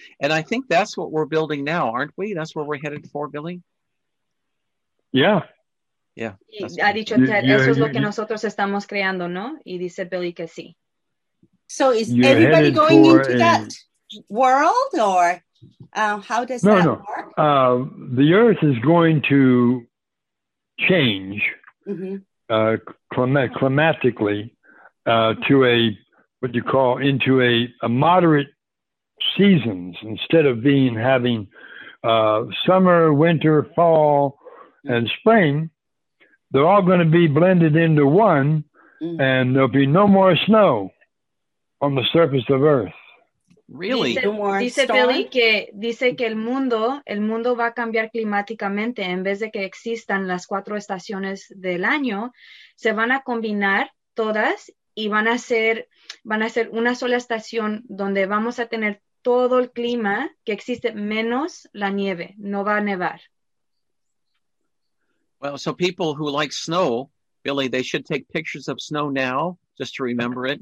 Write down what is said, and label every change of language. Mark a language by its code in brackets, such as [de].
[en] And I think that's what we're building now, aren't we? That's where we're headed for, Billy? Yeah. Yeah. [es] Ha dicho Ted, eso es lo que nosotros estamos creando, ¿no? Y dice Billy que sí. [en] So is everybody going into that world, or how does that work? No. The Earth is going to change climatically to a, what you call, into a moderate seasons instead of being having summer, winter, fall, and spring. They're all going to be blended into one, and there'll be no more snow on the surface of Earth. Really? [es] Dice Billy que dice que el mundo va a cambiar climáticamente. En vez de que existan las cuatro estaciones del año, se van a combinar todas y van a ser una sola estación donde vamos a tener todo el clima que existe menos la nieve. No va a nevar. [en] Well, so people who like snow, Billy, they should take pictures of snow now just to remember it.